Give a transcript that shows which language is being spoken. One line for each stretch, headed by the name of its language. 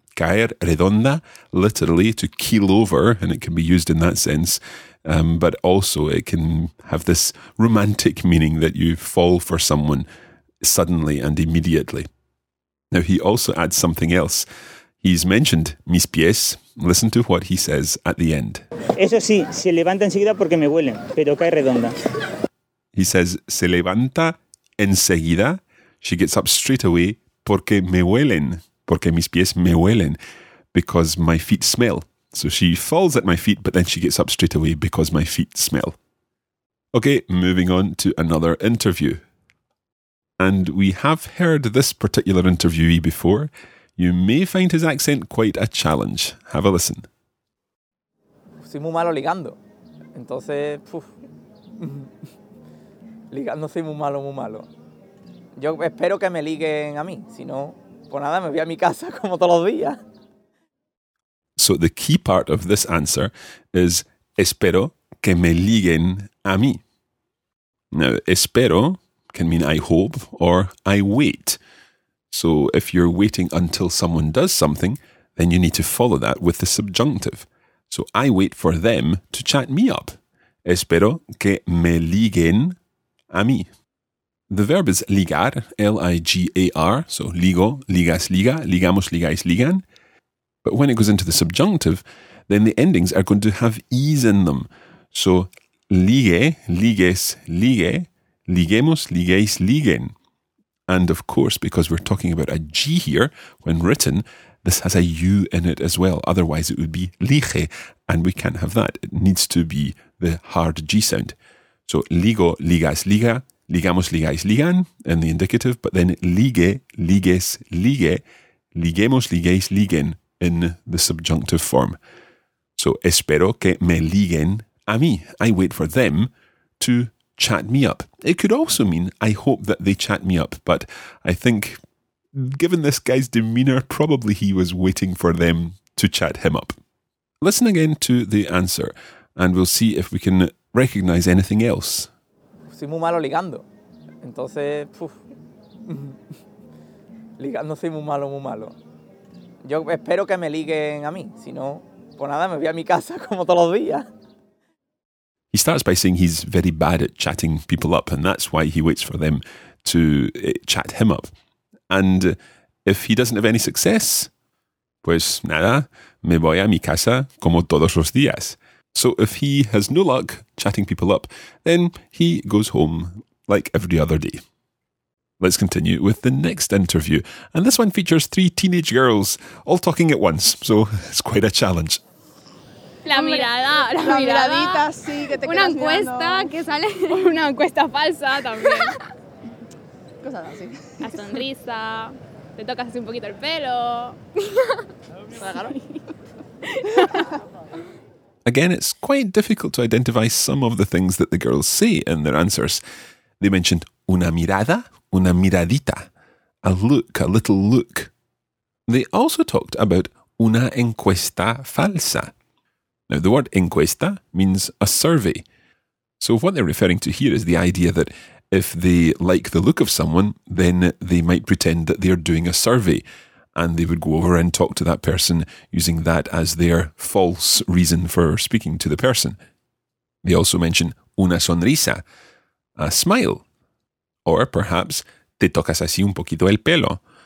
English: Caer redonda, literally to keel over, and it can be used in that sense, but also it can have this romantic meaning that you fall for someone suddenly and immediately. Now he also adds something else. He's mentioned mis pies. Listen to what he says at the end.
Spanish: Eso sí, se levanta enseguida porque me huelen, pero cae redonda.
English: He says,
Spanish: se levanta enseguida.
English: She gets up straight away
Spanish: porque me huelen. Porque mis pies me huelen.
English: Because my feet smell. So she falls at my feet, but then she gets up straight away because my feet smell. Okay, moving on to another interview. And we have heard this particular interviewee before. You may find his accent quite a challenge. Have a listen.
Spanish: Soy muy malo ligando. Entonces, ligando soy muy malo, muy malo. Yo espero que me liguen a mí. Si no, pues nada, me voy a mi casa como todos los días.
English: So the key part of this answer is
Spanish: espero que me liguen a mí.
English: Now, espero can mean I hope or I wait. So if you're waiting until someone does something, then you need to follow that with the subjunctive. So I wait for them to chat me up.
Spanish: Espero que me liguen a mí.
English: The verb is ligar, L-I-G-A-R. So
Spanish: ligo, ligas, liga, ligamos, ligáis, ligan.
English: But when it goes into the subjunctive, then the endings are going to have ease in them.
Spanish: So ligue, ligues, ligue, ligemos, ligáis, liguen.
English: And of course, because we're talking about a G here, when written, this has a U in it as well. Otherwise, it would be lige, and we can't have that. It needs to be the hard G sound.
Spanish: So ligo, ligas, liga, ligamos, ligáis, ligan,
English: in the indicative, but then
Spanish: ligue, ligues, ligue, liguemos, ligáis, liguen,
English: in the subjunctive form.
Spanish: So espero que me liguen a mí.
English: I wait for them to chat me up. It could also mean I hope that they chat me up, but I think given this guy's demeanor, probably he was waiting for them to chat him up. Listen again to the answer and we'll see if we can recognize anything else.
Spanish: Soy muy malo ligando. Entonces, ligando soy muy malo, muy malo. Yo espero que me liguen a mí. Si no, pues nada, me voy a mi casa como todos los días.
English: He starts by saying he's very bad at chatting people up, and that's why he waits for them to chat him up. And if he doesn't have any success,
Spanish: pues nada, me voy a mi casa como todos los días.
English: So if he has no luck chatting people up, then he goes home like every other day. Let's continue with the next interview. And this one features three teenage girls all talking at once, so it's quite a challenge.
Spanish: La mirada, sí, que te una encuesta mirando. Que sale una encuesta falsa también. Cosas así. La sonrisa, te tocas así un poquito el pelo.
English: Again, it's quite difficult to identify some of the things that the girls say in their answers. They mentioned
Spanish: una mirada, una miradita,
English: a look, a little look. They also talked about
Spanish: una encuesta falsa.
English: Now, the word encuesta means a survey. So what they're referring to here is the idea that if they like the look of someone, then they might pretend that they're doing a survey and they would go over and talk to that person using that as their false reason for speaking to the person. They also mention
Spanish: una sonrisa,
English: a smile. Or perhaps,
Spanish: te tocas así un poquito el pelo.